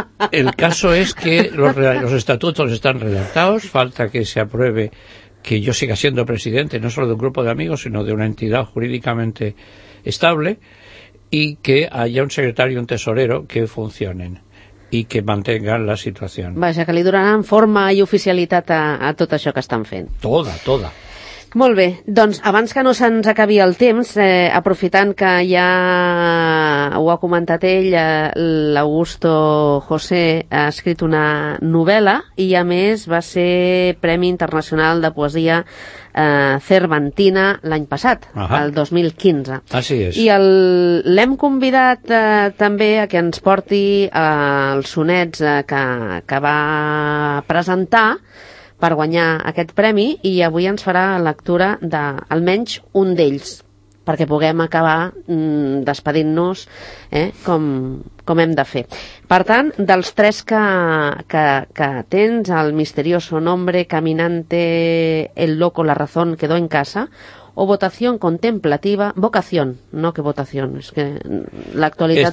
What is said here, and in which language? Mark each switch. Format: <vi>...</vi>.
<es>El caso es que los estatutos están redactados, falta que se apruebe que yo siga siendo presidente, no solo de un grupo de amigos, sino de una entidad jurídicamente estable, y que haya un secretario y un tesorero que funcionen y que mantengan la situación.</es> <ca>Vaja, que li donaran forma i oficialitat a tot això que estan fent.</ca> <es>Toda, toda.</es> <ca>Molt bé, doncs abans que no se'ns acabi el temps, aprofitant que ja ho ha comentat ell, l'Augusto José ha escrit una novel·la i a més va ser Premi Internacional de Poesia Cervantina l'any passat, el 2015. Així és. I l'hem convidat també a que ens porti els sonets que va presentar per guanyar aquest premi, i avui ens farà lectura d'almenys un d'ells, perquè puguem acabar despedint-nos com hem de fer. Per tant, dels 3 que tens, el misterioso nombre, caminante, el loco, la razón, quedó en casa, o votación contemplativa, vocación, no que votación, es que l'actualitat...</ca>